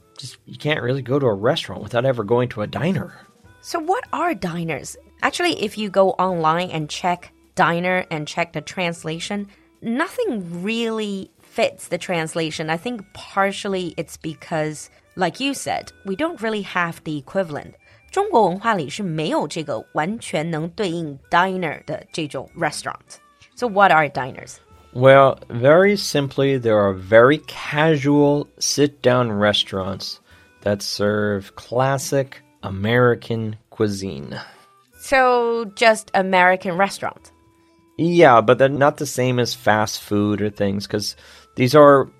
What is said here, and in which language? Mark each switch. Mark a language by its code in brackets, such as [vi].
[en] Just, you can't really go to a restaurant without ever going to a diner. So what are diners? Actually, if you go online and check diner and check the translation, nothing really fits the translation. I think partially it's because... Like you said, we don't really have the equivalent. [zh] 中国文化里是没有这个完全能对应 diner 的这种 restaurant. [en] So what are diners? Well, very simply, there are very casual sit-down restaurants that serve classic American cuisine. So just American restaurant? Yeah, but they're not the same as fast food or things, because these are...